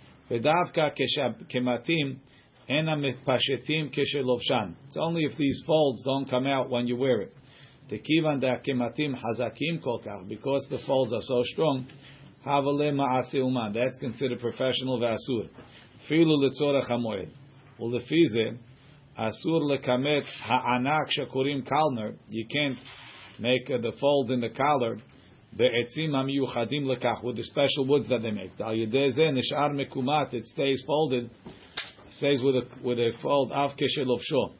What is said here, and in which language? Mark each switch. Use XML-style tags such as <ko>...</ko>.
<he>ודווקא כמתים אין המתפשטים כשלובשן.</he> <en>It's only if these folds don't come out when you wear it.</en> <he>תכיוון דהכמתים חזקים כל כך,</he> <en>because the folds are so strong,</en> <he>הווה למעשה אומן.</he> <en>That's considered professional</en> <he>ואסור. אפילו לצורך המועד. ולפי זה, אסור לכמת הענק שקוראים קלנר.</he> <en>You can't make the fold in the collar.</en> <he>בעצים המיוחדים לכך,</he> <en>with the special woods that they make.</en> <he>על ידי זה נשאר מקומת,</he> <en>it stays folded, stays with a fold,</en> <he>אף כשלובשו.</he>